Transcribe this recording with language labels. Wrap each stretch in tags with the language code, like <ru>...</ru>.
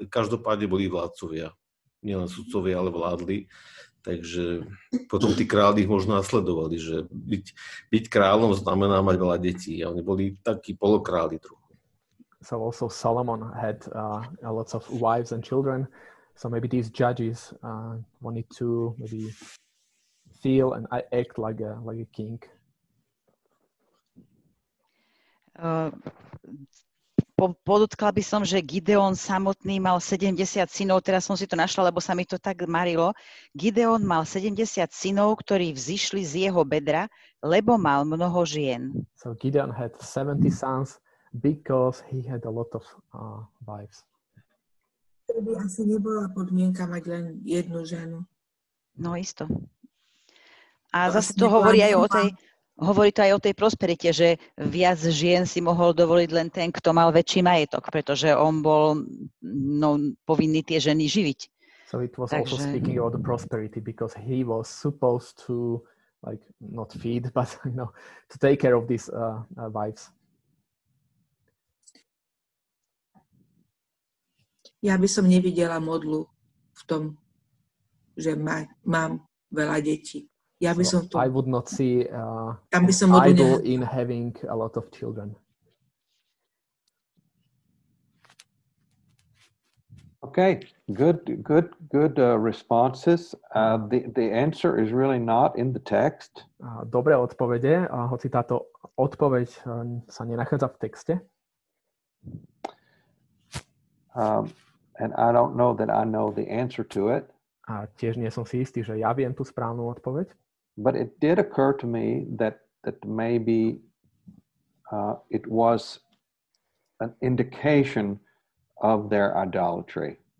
<sk>Každopádne boli vládcovia, nielen sudcovia, ale vládli. Takže potom tí králi ich možno nasledovali, že byť kráľom znamená mať veľa detí. A oni boli takí polokráli trochu.</sk> <en>So also Solomon had a lots of wives and children. So maybe these judges wanted to maybe feel and act like a king.</en> <sk>Podotkla by som, že Gideon samotný mal 70 synov, teraz som si to našla, lebo sa mi to tak marilo. Gideon mal 70 synov, ktorí vzišli z jeho bedra, lebo mal mnoho žien.</sk> <en>So Gideon had 70 sons because he had a lot of wives.</en> <sk>To by asi nebola podmienka mať len jednu ženu. No isto. A to zase to hovorí aj o tej... Hovorí to aj o tej prosperite, že viac žien si mohol dovoliť len ten, kto mal väčší majetok, pretože on bol povinný tie ženy živiť.</sk> <en>So it was also speaking about the prosperity because he was supposed to like not feed, but you know, to take care of these wives.</en> <sk>Ja by som nevidela modlu v tom, že mám veľa detí. Ja by som</sk> <en>I would not see idol in having a lot of children. Okay, good responses. The answer is really not in the text.</en> <sk>Dobré odpovede, a hoci táto odpoveď sa nenachádza v texte.</sk> <en>And I don't know that I know the answer to it.</en> <sk>A tiež nie som si istý, že ja viem tú správnu odpoveď.</sk> <en>But it did occur to me that maybe it was an indication of their idolatry.</en>